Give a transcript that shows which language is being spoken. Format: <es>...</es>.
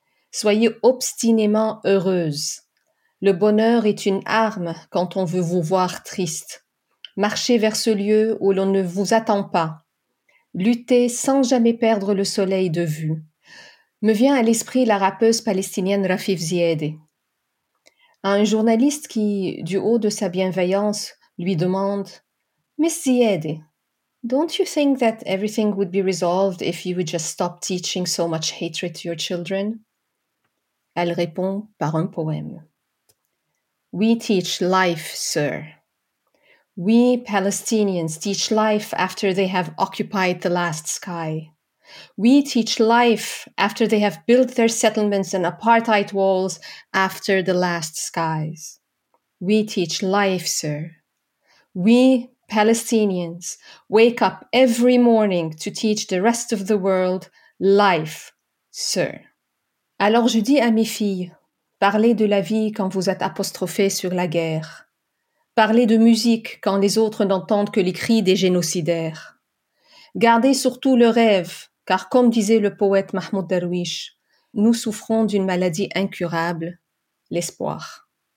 <fr>Soyez obstinément heureuses. Le bonheur est une arme quand on veut vous voir triste. Marchez vers ce lieu où l'on ne vous attend pas. Luttez sans jamais perdre le soleil de vue. Me vient à l'esprit la rappeuse palestinienne Rafif Ziyadeh. À un journaliste qui, du haut de sa bienveillance, lui demande «</fr> <en>Miss Ziyadeh, don't you think that everything would be resolved if you would just stop teaching so much hatred to your children ?»</en> <fr>Elle répond par un poème.</fr> <en>We teach life, sir. We Palestinians teach life after they have occupied the last sky. We teach life after they have built their settlements and apartheid walls after the last skies. We teach life, sir. We Palestinians wake up every morning to teach the rest of the world life, sir.</en> <fr>Alors je dis à mes filles, parlez de la vie quand vous êtes apostrophées sur la guerre. Parlez de musique quand les autres n'entendent que les cris des génocidaires. Gardez surtout le rêve, car comme disait le poète Mahmoud Darwish, nous souffrons d'une maladie incurable, l'espoir.</fr>